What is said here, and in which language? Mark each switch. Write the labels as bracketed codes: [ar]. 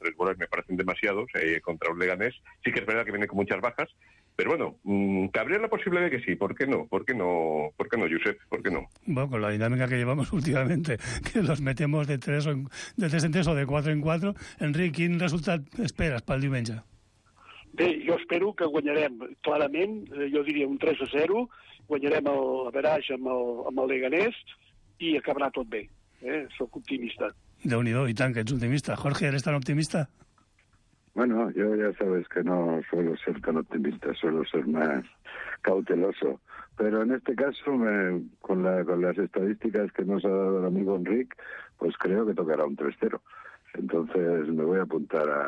[es] 3 goles me parecen demasiados contra un Leganés, sí que es verdad que viene con muchas bajas, pero bueno, cabría la posibilidad de que sí, ¿por qué no? ¿Por qué no? ¿Por qué no, Josep? ¿Por qué no? Bueno, con la dinámica que llevamos últimamente, que los metemos de tres en tres o de 4 en 4, Enric, [ca] ¿quin resultat esperes pel diumenge? Bé, jo espero que guanyarem, clarament, jo diria un 3-0, guanyarem el Berage amb el Leganés i acabarà tot bé. Soc optimista. Déu-n'hi-do, i tant, que ets optimista. [es] Jorge, eres tan optimista? Bueno, yo ya sabes que no suelo ser tan optimista, suelo ser más cauteloso. Pero en este caso, con las estadísticas que nos ha dado el amigo Enric, pues creo que tocará un 3-0. Entonces me voy a apuntar